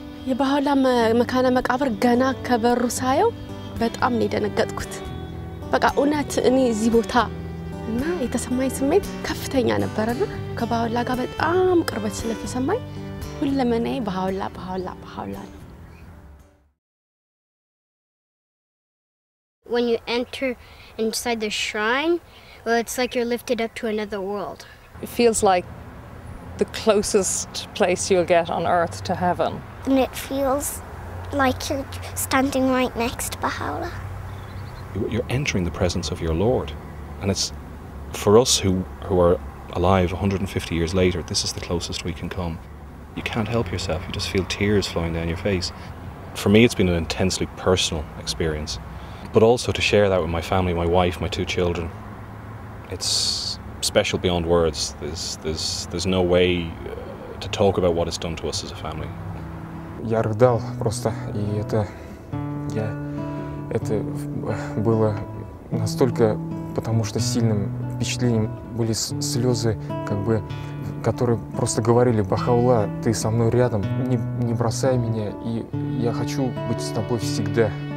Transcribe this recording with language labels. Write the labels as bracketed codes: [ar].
[am] የባህላ መካነ መቃብር ገና ከበሩ ሳየው በጣም ነው የደነገጥኩት በቃ ኡናት እኔ እዚህ ቦታ እና የተሰማኝ ስሜት ከፍተኛ ነበርና ከባህላ ጋር በጣም ቅርበት ስለተሰማኝ ሁለመናዬ ባህላ ባህላ ባህላ ነው [en] When you enter inside the shrine, well, it's like you're lifted up to another world. It feels like the closest place you'll get on earth to heaven. And it feels like you're standing right next to Baha'u'llah. You're entering the presence of your Lord. And it's, for us who are alive 150 years later, this is the closest we can come. You can't help yourself. You just feel tears flowing down your face. For me, it's been an intensely personal experience. But also to share that with my family, my wife, my two children, it's special beyond words. There's no way to talk about what it's done to us as a family. [ru] Я рыдал просто, и это я это было настолько, потому что сильным впечатлением были слезы, как бы, которые просто говорили: Бахаула, ты со мной рядом, не бросай меня, и я хочу быть с тобой всегда.